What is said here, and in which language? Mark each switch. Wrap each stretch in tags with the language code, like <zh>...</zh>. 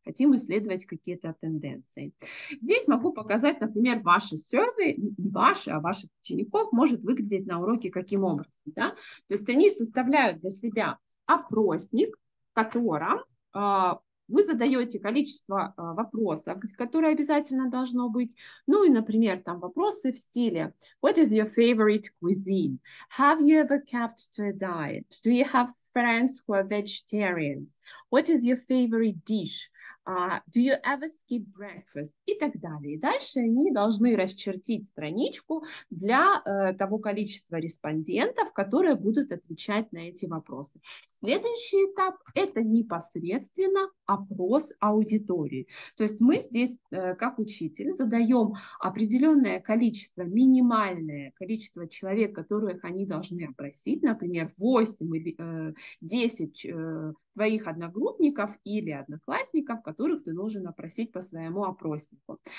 <ru>Хотим исследовать какие-то тенденции. Здесь могу показать, например, ваши сервы, ваши, а ваших учеников может выглядеть на уроке каким образом. Да? То есть они составляют для себя опросник, которым вы задаете количество вопросов, которые обязательно должно быть. Ну и, например, там вопросы в стиле</ru> <en>What is your favorite cuisine? Have you ever kept to a diet? Do you have friends who are vegetarians? What is your favorite dish? Do you ever skip breakfast?</en> <ru>И так далее. Дальше они должны расчертить страничку для того количества респондентов, которые будут отвечать на эти вопросы. Следующий этап – это непосредственно опрос аудитории. То есть мы здесь, как учитель, задаем определенное количество, минимальное количество человек, которых они должны опросить, например, 8 или 10 твоих одногруппников или одноклассников, которых ты должен опросить по своему опроснику.</ru>